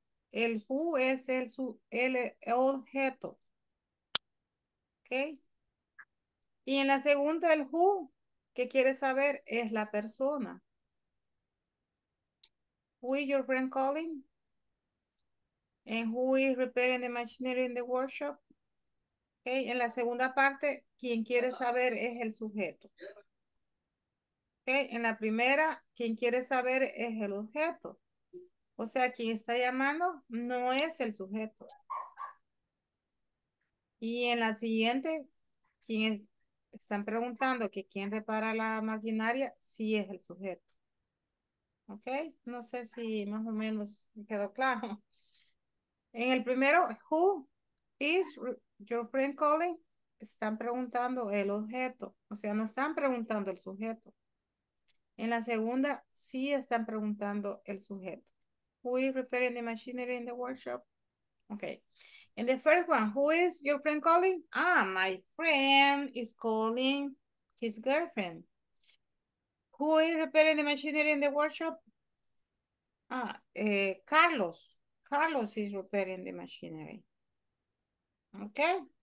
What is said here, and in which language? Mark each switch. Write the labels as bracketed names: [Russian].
[Spanish] El who es el objeto. ¿Ok? Y en la segunda, el who que quiere saber es la persona. [English] Who is your friend calling? And who is repairing the machinery in the workshop? [Spanish] Ok, en la segunda parte, quien quiere saber es el sujeto. Ok, en la primera, quien quiere saber es el objeto. O sea, quien está llamando no es el sujeto. Y en la siguiente, están preguntando que quién repara la maquinaria, sí es el sujeto. Ok, no sé si más o menos quedó claro. En el primero, [English] who is your friend calling? [Spanish] Están preguntando el objeto. O sea, no están preguntando el sujeto. En la segunda, sí están preguntando el sujeto. [English] Who is repairing the machinery in the workshop? Ok. In the first one, who is your friend calling? Ah, my friend is calling his girlfriend. Who is repairing the machinery in the workshop? Carlos. Carlos is repairing the machinery. Okay?